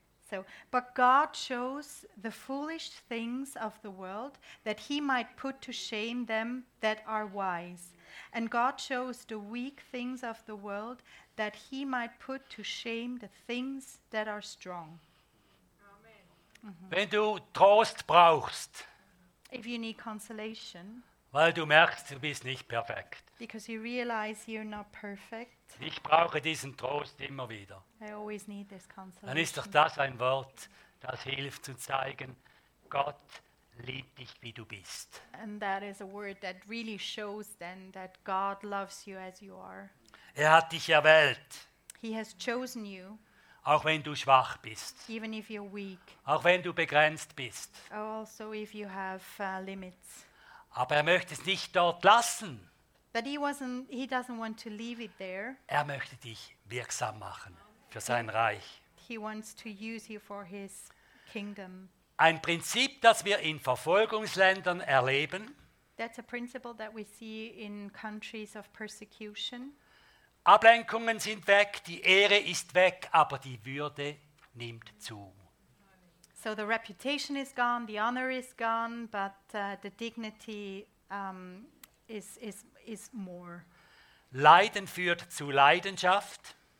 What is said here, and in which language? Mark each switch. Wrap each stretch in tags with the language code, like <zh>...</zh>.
<en>So, but God chose the foolish things of the world that he might put to shame them that are wise. And God chose the weak things of the world that he might put to shame the things that are strong.</en> <de>Amen. Wenn du Trost brauchst,</de> <en>if you need consolation,</en> <de>Weil du merkst, du bist nicht perfekt.</de> <en>Because you realize you're not perfect.</en> <de>Ich brauche diesen Trost immer wieder.</de> <en>I always need this consolation.</en> <de>Dann ist doch das ein Wort, das hilft zu zeigen, Gott liebt dich, wie du bist.</de> <en>And that is a word that really shows then that God loves you as you are.</en> <de>Er hat dich erwählt.</de> <en>He has chosen you.</en> <de>Auch wenn du schwach bist.</de> <en>Even if you're weak.</en> <de>Auch wenn du begrenzt bist.</de> <en>Also if you have limits.</en> <de>Aber er möchte es nicht dort lassen.</de> <en>But he doesn't want to leave it there.</en> <de>Er möchte dich wirksam machen für sein Reich.</de> <en>He wants to use you for his kingdom.</en> <de>Ein Prinzip, das wir in Verfolgungsländern erleben.</de> <en>That's a principle that we see in countries of persecution.</en> <de>Ablenkungen sind weg, die Ehre ist weg, aber die Würde nimmt zu.</de> <en>So the reputation is gone, the honor is gone, but the dignity is more.</en> <de>Leiden führt zu Leidenschaft.</de>